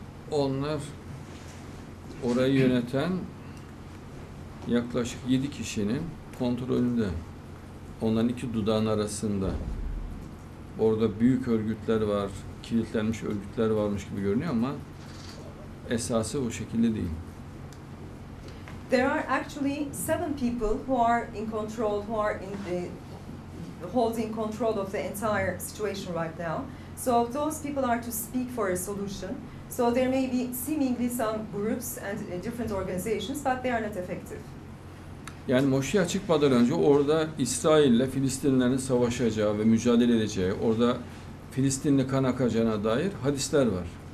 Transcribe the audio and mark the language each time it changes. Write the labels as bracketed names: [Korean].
[Turkish] Onlar orayı yöneten yaklaşık 7 kişinin kontrolünde, onların iki dudağın arasında. Orada büyük örgütler var, kilitlenmiş örgütler varmış gibi görünüyor ama esası o şekilde değil. [English] There are actually 7 people who are in control, who are in holding control of the entire situation right now. So if those people are to speak for a solution, so there may be seemingly some groups and different organizations, but they are not effective. [Turkish] Yani Moşe'ye çıkmadan önce orada İsrail'le Filistinlilerin savaşacağı ve mücadele edeceği, orada Filistinli kan akacağına dair hadisler var.